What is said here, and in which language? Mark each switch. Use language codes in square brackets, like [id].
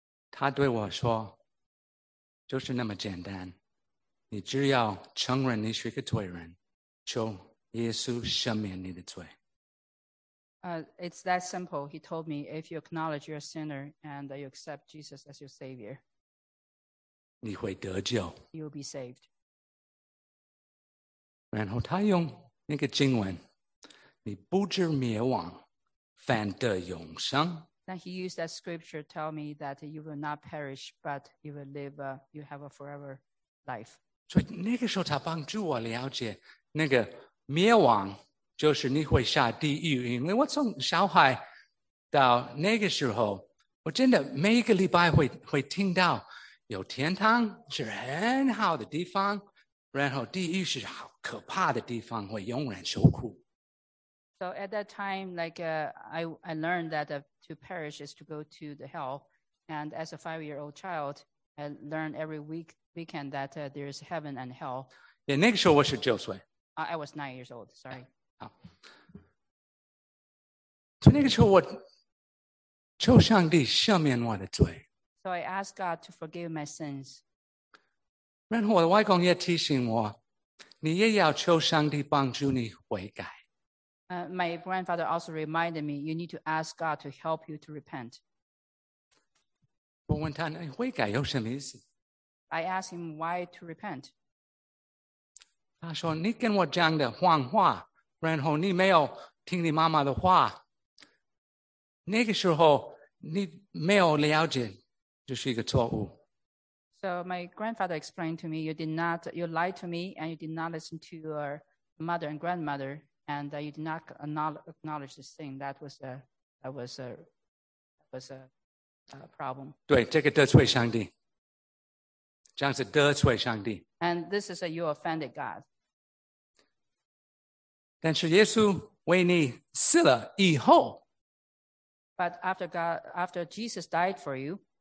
[zh] 他对我说，就是那么简单，你只要承认你是一个罪人，求耶稣赦免你的罪。 [en] It's that simple. He told me, if you acknowledge you're a sinner and you accept Jesus as your Savior, [zh] 你会得救。 [en] You'll be saved. [zh] 然后他用那个经文，你不至灭亡，反得永生。 [en] Then he used that scripture to tell me that you will not perish, but you will live, you have a forever life. [zh] 所以那个时候他帮助我了解那个灭亡就是你会下地狱，因为我从小孩到那个时候，我真的每一个礼拜会听到有天堂是很好的地方，然后地狱是好可怕的地方，会永远受苦。 [en] So at that time, like I learned that to perish is to go to the hell, and as a 5-year-old child, I learned every weekend that there is heaven and hell. [zh] 那个时候我是九岁。 [en] I was 9 years old, sorry. [zh] 好。所以那个时候我求上帝赦免我的罪。 [en] So I asked God to forgive my sins. [zh] 然后我的外公也提醒我，你也要求上帝帮助你悔改。 [en] My grandfather also reminded me, you need to ask God to help you to repent. [zh] 我问他，你悔改有什么意思？ [en] I asked him why to repent. [zh] 他说，你跟我讲的谎话，然后你没有听你妈妈的话，那个时候你没有了解，就是一个错误。 [en] So my grandfather explained to me, you lied to me and you did not listen to your mother and grandmother. And you did not acknowledge this thing. That was a problem. [zh] 对，这个得罪上帝，这样子得罪上帝。 [en] And this is a you offended God. [zh] 但是耶稣为你死了以后 [en] ，But after God, after Jesus died for you,